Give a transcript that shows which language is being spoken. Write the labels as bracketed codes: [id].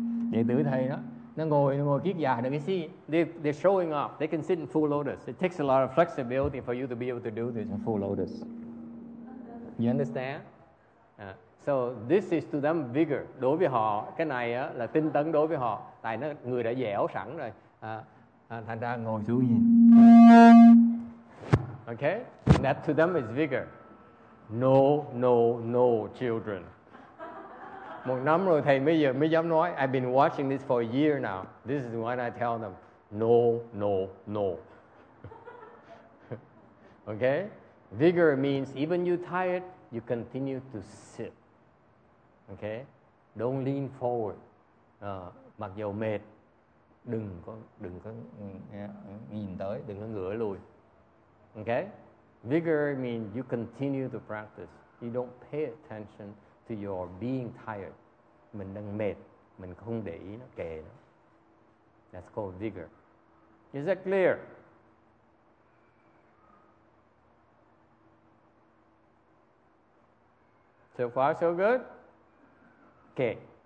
[vi] Đệ tử thầy đó, nó ngồi kiết già đừng có xi. [en] They're showing off. They can sit in full lotus. It takes a lot of flexibility for you to be able to do this in full lotus. You understand? So this is to them vigor. [vi] Đối với họ, cái này á, là tinh tấn đối với họ. Tại nó người đã dẻo sẵn rồi. Thành ra ngồi xuống nhìn. [en] Okay? That to them is vigor. No, children. [vi] Một năm rồi thầy bây giờ mới dám nói. [en] I've been watching this for a year now. This is when I tell them, no, no, no. Okay? Vigor means even you're tired, you continue to sit. Okay? Don't lean forward. [vi] Mặc dù mệt, đừng có nhìn tới, đừng có ngửa lùi. [en] Okay? Vigor means you continue to practice. You don't pay attention to your being tired. [vi] Mình đang mệt, mình không để ý nó kệ nó. [en] That's called vigor. Is that clear? So far, so good? Okay.